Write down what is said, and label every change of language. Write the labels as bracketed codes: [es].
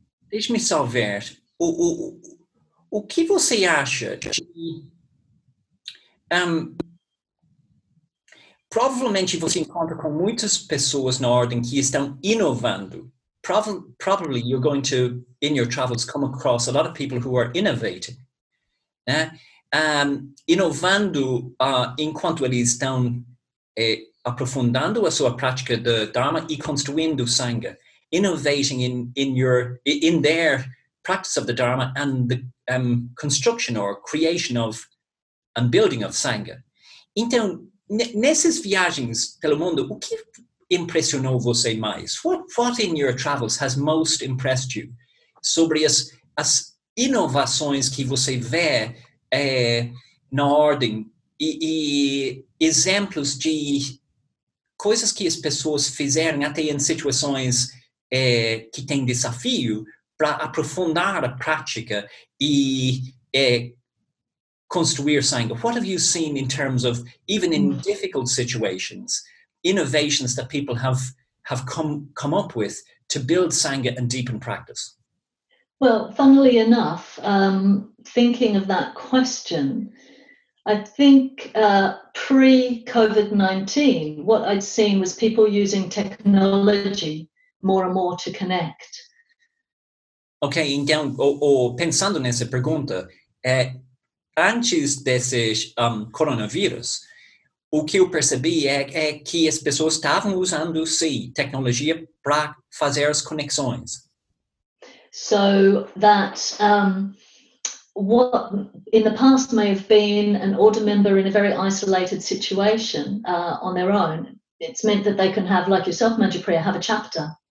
[pt] Deixa-me só ver. O que você acha de... provavelmente você encontra com muitas pessoas na ordem que estão inovando. [en] Probably you're going to, in your travels, come across a lot of people who are innovating. [pt] Né? Inovando enquanto eles estão aprofundando a sua prática do Dharma e construindo Sangha. [en] Innovating in their practice of the Dharma and the construction or creation of and building of Sangha. [pt] Então, nessas viagens pelo mundo, o que impressionou você mais? [en] What in your travels has most impressed you [pt] sobre as inovações que você vê na ordem e exemplos de coisas que as pessoas fizeram até em situações que têm desafio para aprofundar a prática e construir Sangha? [en] What have you seen in terms of, even in difficult situations, innovations that people have come up with to build Sangha and deepen practice? Well, funnily enough, thinking of that question, I think pre-COVID-19, what I'd seen was people using technology more and more to connect. [pt] Ok, então, pensando nessa pergunta, antes desse coronavírus, o que eu percebi é que as pessoas estavam usando, sim, tecnologia para fazer as conexões. [en] So that what in the past may have been an order member in a very isolated situation on their own, it's meant that they can have, like yourself, Manjupriya, have a chapter.